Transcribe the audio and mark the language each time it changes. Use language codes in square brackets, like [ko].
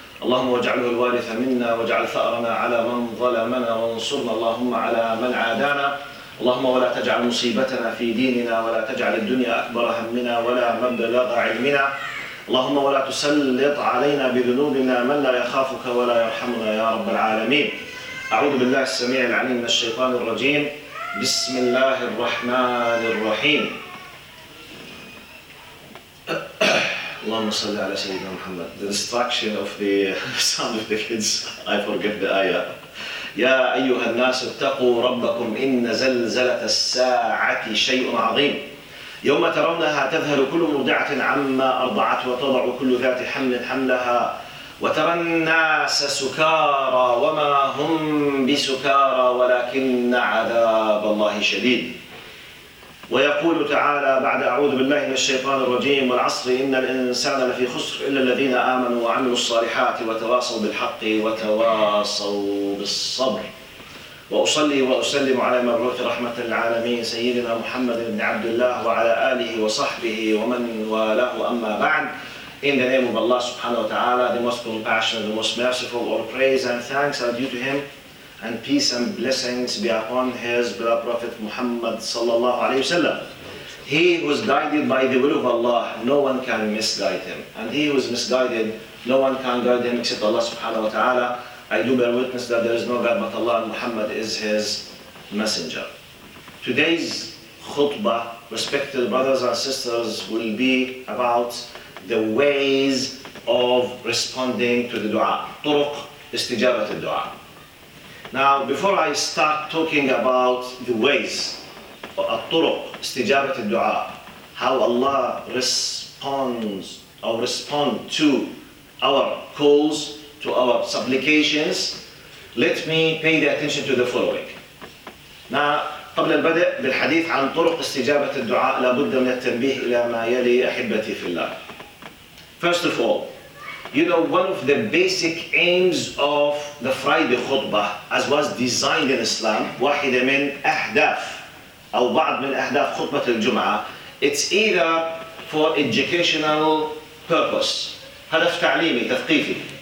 [ar] اللهم واجعله الوارث منا، واجعل ثأرنا على من ظلمنا، وانصرنا اللهم على من عادانا، اللهم ولا تجعل مصيبتنا في ديننا، ولا تجعل الدنيا أكبر همنا ولا مبلغ علمنا، اللهم ولا تسلط علينا بذنوبنا من لا يخافك ولا يرحمنا يا رب العالمين. أعوذ بالله السميع العليم من الشيطان الرجيم، بسم الله الرحمن الرحيم. اللهم صل على سيدنا محمد. [en] The destruction of the sound of the kids. I forget the ayah. [ar] يا أيها الناس اتقوا ربكم إن زلزلة الساعة شيء عظيم. يوم ترونها تذهل كل مرضعة عما أرضعت وتضع كل ذات حمل حملها وترى الناس سكارى وما هم بسكارى ولكن عذاب الله شديد. ويقول تعالى بعد أعوذ بالله من الشيطان الرجيم والعصر إن الإنسان لفي خسر إلا الذين آمنوا وعملوا الصالحات وتواصوا بالحق وتواصوا بالصبر. وأصلي وأسلم على مبعوث رحمة العالمين سيدنا محمد بن عبد الله وعلى آله وصحبه ومن والاه. أما بعد، [en] in the name of Allah subhanahu wa ta'ala, the most compassionate, the most merciful, all praise and thanks are due to him, and peace and blessings be upon his beloved Prophet Muhammad sallallahu alayhi wa sallam. He was guided by the will of Allah, no one can misguide him. And he was misguided, no one can guide him except Allah subhanahu wa ta'ala. I do bear witness that there is no God but Allah, and Muhammad is his messenger. Today's khutbah, respected brothers and sisters, will be about the ways of responding to the dua. [ar] طرق استجابة الدعاء. [en] Now, before I start talking about the ways, [ar] الطرق استجابة الدعاء, [en] how Allah responds or respond to our calls, to our supplications, let me pay the attention to the following. [ar] Now, قبل البدء بالحديث عن طرق استجابة الدعاء لابد من التنبيه إلى ما يلي أحبتي في الله. [en] First of all, you know one of the basic aims of the Friday khutbah as was designed in Islam, [ar] واحدة من أهداف أو بعض من أهداف خطبة الجمعة, [en] it's either for educational purpose, [ar] هدف تعليمي تثقيفي,